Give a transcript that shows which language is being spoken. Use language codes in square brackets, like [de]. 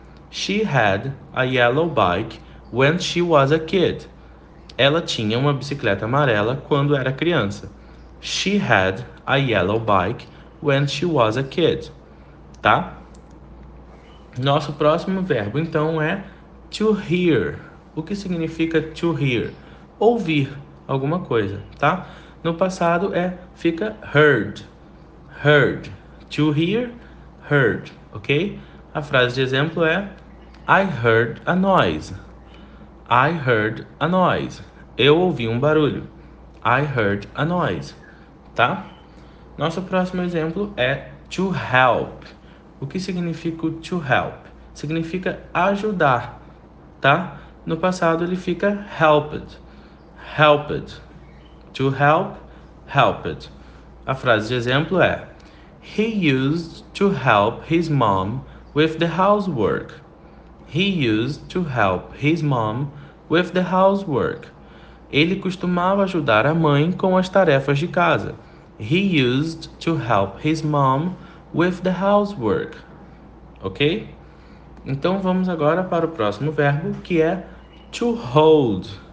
[en] She had a yellow bike when she was a kid. [pt] Ela tinha uma bicicleta amarela quando era criança. [en] She had a yellow bike when she was a kid. [pt] Tá? Nosso próximo verbo, então, é to hear. O que significa to hear? Ouvir alguma coisa, tá? No passado fica heard, heard, to hear, heard, ok? A frase de exemplo é [en] I heard a noise, I heard a noise. [pt] Eu ouvi um barulho, [en] I heard a noise, [pt] tá? Nosso próximo exemplo é to help. O que significa to help? Significa ajudar, tá? No passado ele fica helped, helped, to help. Helped. A frase de exemplo é [en] He used to help his mom with the housework. He used to help his mom with the housework. [pt] Ele costumava ajudar a mãe com as tarefas de casa. [en] He used to help his mom with the housework. Ok? [pt] Então vamos agora para o próximo verbo, que é to hold.